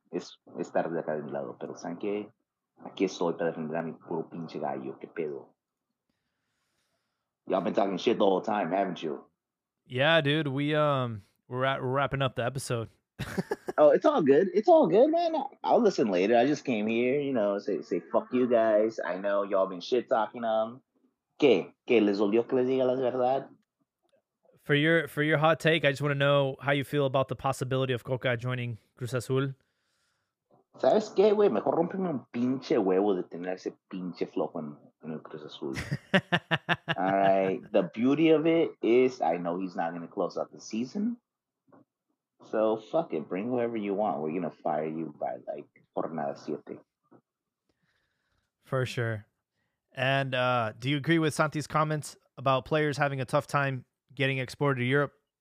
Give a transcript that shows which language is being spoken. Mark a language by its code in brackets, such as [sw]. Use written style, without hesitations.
[es] Es tarde acá de mi lado, pero ¿saben qué? Aquí estoy para defender a mi puro pinche gallo. Qué pedo. [en] Y'all been talking shit the whole time, haven't you? Yeah, dude. We're wrapping up the episode. Oh, it's all good. It's all good, man. I'll listen later. I just came here, you know, say fuck you guys. I know y'all been shit talking them. [es] ¿Qué? ¿Les olvidó que les diga la verdad? [en] For your hot take, I just want to know how you feel about the possibility of Coca joining Cruz Azul. [es] ¿Sabes qué, güey? Mejor rompeme un pinche huevo de tener ese pinche flojo en el Cruz Azul. [en] All right. The beauty of it is I know he's not going to close out the season. So, fuck it. Bring whoever you want. We're going to fire you by, like, [es] jornada siete. [en] For sure. And do you agree with Santi's comments about players having a tough time getting exported to Europe?